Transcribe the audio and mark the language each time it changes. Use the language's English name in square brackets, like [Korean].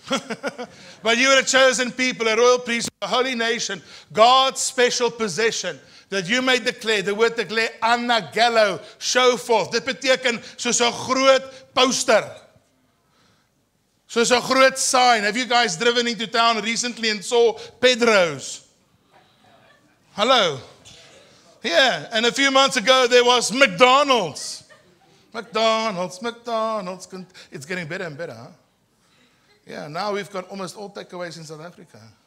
[English] But you are a chosen people, a royal priesthood, a holy nation, God's special possession, that you may declare, the word declare, anagelo, show forth. [Afrikaans] Dit beteken soos 'n groot poster. Soos 'n groot sign. [English] Have you guys driven into town recently and saw Pedro's? Hello. Yeah, and a few months ago there was McDonald's. McDonald's. It's getting better and better, huh? Yeah, now we've got almost all takeaways in South Africa.